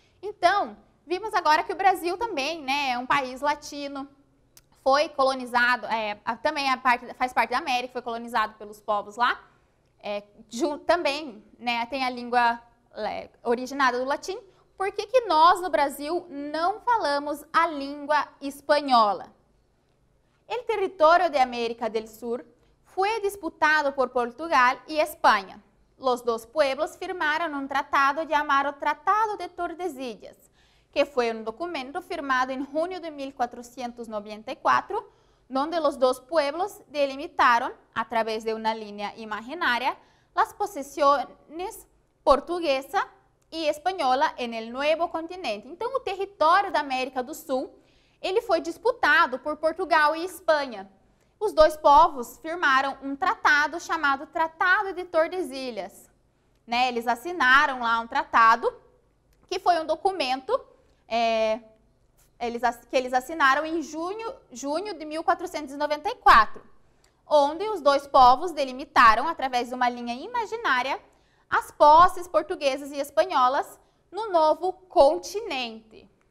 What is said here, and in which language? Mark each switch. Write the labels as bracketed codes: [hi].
[pt] Então, vimos agora que o Brasil também, né, é um país latino, foi colonizado, faz parte da América, foi colonizado pelos povos lá, também, né, tem a língua originada do latim. Por que que nós, no Brasil, não falamos a língua espanhola? [es] El territorio de América del Sur fue disputado por Portugal y España. Los dos pueblos firmaron un tratado llamado Tratado de Tordesillas, que fue un documento firmado en junio de 1494, donde los dos pueblos delimitaron, a través de una línea imaginaria, las posesiones portuguesa y española en el nuevo continente. Entonces, el territorio de América del Sur [pt] ele foi disputado por Portugal e Espanha. Os dois povos firmaram um tratado chamado Tratado de Tordesilhas. Né? Eles assinaram lá um tratado, que foi um documento que eles assinaram em junho de 1494, onde os dois povos delimitaram, através de uma linha imaginária, as posses portuguesas e espanholas no novo continente.